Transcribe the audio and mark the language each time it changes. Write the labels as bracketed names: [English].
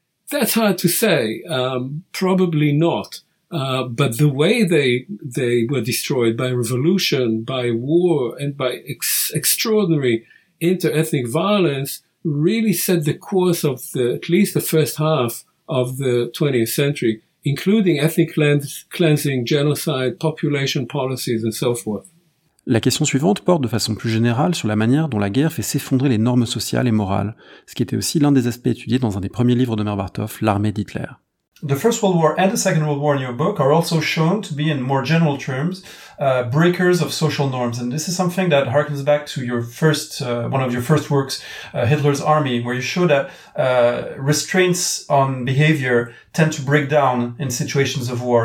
[English] That's hard to say. Probably not. But the way they were destroyed by revolution, by war, and by extraordinary inter-ethnic violence really set the course of the, at least the first half of the 20th century, including ethnic cleansing, genocide, population policies, and so forth. [French] La question suivante porte de façon plus générale sur la manière dont la guerre fait s'effondrer les normes sociales et morales, ce qui était aussi l'un des aspects étudiés dans un des premiers livres de Merbartoff, L'armée d'Hitler. [English] The First World War and the Second World War in your book are also shown to be, in more general terms, breakers of social norms. And this is something that harkens back to your first, one of your first works, Hitler's Army, where you show that restraints on behavior tend to break down in situations of war.